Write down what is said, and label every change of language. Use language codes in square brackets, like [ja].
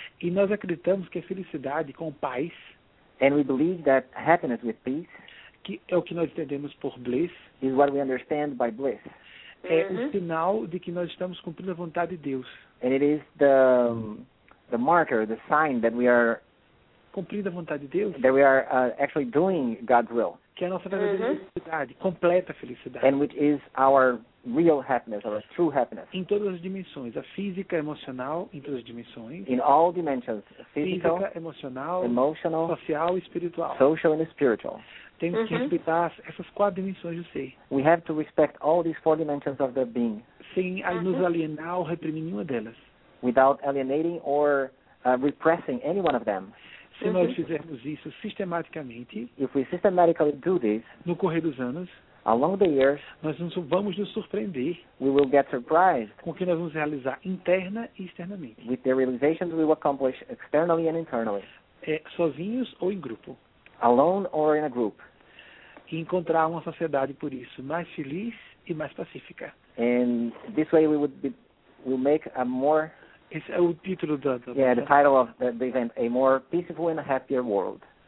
[pt] E nós acreditamos que a felicidade com paz. [en] And we believe that happiness with peace. [pt] Que é o que nós entendemos por bliss. [en] Is what we understand by bliss. [pt] É o sinal de que nós estamos cumprindo a vontade de Deus. [en] And it is the marker, the sign that we are [pt] cumprindo a vontade de Deus. [en] That we are actually doing God's will. [pt] Que é a nossa verdadeira felicidade, completa felicidade. [en] And which is our real happiness, our true happiness. [pt] Em todas as dimensões, a física, emocional, em todas as dimensões. [en] In all dimensions, physical, [pt] física, emocional, [en] emotional, [pt] social e espiritual. [en] Social and spiritual. [pt] Temos que respeitar essas quatro dimensões do ser. [en] We have to respect all these four dimensions of the being. [pt] Sem nos alienar ou reprimir nenhuma delas. [en] Without alienating or repressing any one of them. [pt] Se nós fizermos isso sistematicamente, [en] if we systematically do this, [pt] no correr dos anos, [en] along the years, [pt] nós vamos nos surpreender, [en] we will get surprised, [pt] com o que nós vamos realizar interna e externamente. [en] With the realizations we will accomplish externally and internally. [pt] Sozinhos ou em grupo. [en] Alone or in a group. [pt] E encontrar uma sociedade, por isso, mais feliz e mais pacífica. [en] And this way we would be, we'll make a more... [pt] Esse é o título da... [en] Yeah, the title of the event, A More Peaceful and a Happier World.